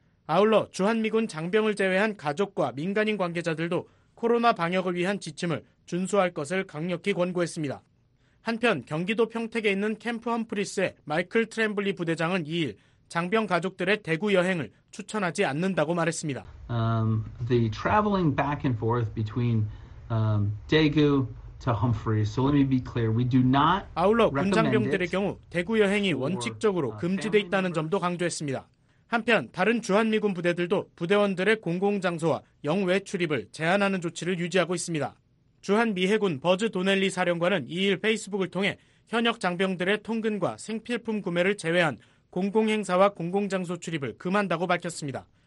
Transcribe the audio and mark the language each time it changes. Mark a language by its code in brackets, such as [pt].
[ko] 아울러 주한미군 장병을 제외한 가족과 민간인 관계자들도 코로나 방역을 위한 지침을 준수할 것을 강력히 권고했습니다. 한편 경기도 평택에 있는 캠프 험프리스의 마이클 트램블리 부대장은 2일 장병 가족들의 대구 여행을 추천하지 않는다고 말했습니다. [en] The traveling back and forth between Daegu to Humphreys. So let me be clear. We do not. [ko] 아울러 군 장병들의 경우 대구 여행이 원칙적으로 금지돼 있다는 점도 강조했습니다. 한편 다른 주한미군 부대들도 부대원들의 공공장소와 영외 출입을 제한하는 조치를 유지하고 있습니다. 주한미해군 버즈 도넬리 사령관은 2일 페이스북을 통해 현역 장병들의 통근과 생필품 구매를 제외한 공공행사와 공공장소 출입을 금한다고 밝혔습니다.